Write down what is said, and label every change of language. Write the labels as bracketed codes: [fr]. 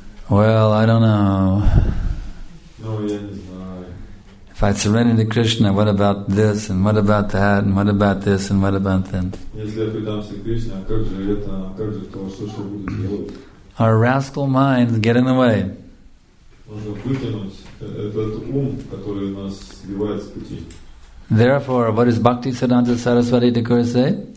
[en] Well, I don't know. If I surrender to Krishna, what about this and what about that and what about this and what about that? Our rascal minds get in the way. [ru] Можно вытянуть этот ум, который нас сбивает с пути. [en] Therefore, what is Bhakti Siddhanta Saraswati Thakur say?